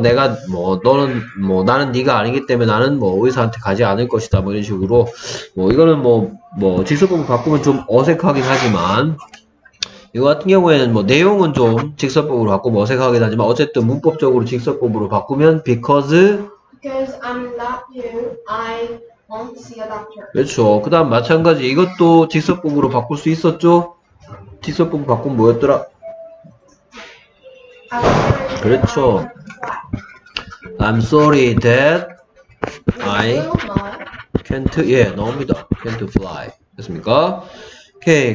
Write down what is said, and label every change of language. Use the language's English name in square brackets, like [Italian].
[Korean] 내가 뭐 너는 뭐 나는 네가 아니기 때문에 나는 뭐 의사한테 가지 않을 것이다 뭐 이런 식으로 뭐 이거는 뭐 직설법을 바꾸면 좀 어색하긴 하지만 이거 같은 경우에는 뭐 내용은 좀 직설법으로 바꾸면 어색하긴 하지만 어쨌든 문법적으로 직설법으로 바꾸면 because [English] I'm not you I won't see a doctor. [Korean] 그렇죠. 그다음 마찬가지 이것도 직설법으로 바꿀 수 있었죠. 직설법 바꾼 뭐였더라? 그렇죠. [English] I'm sorry that I can't. [Korean] 예, 나옵니다. [English] Can't fly. [Korean] 됐습니까? 오케이.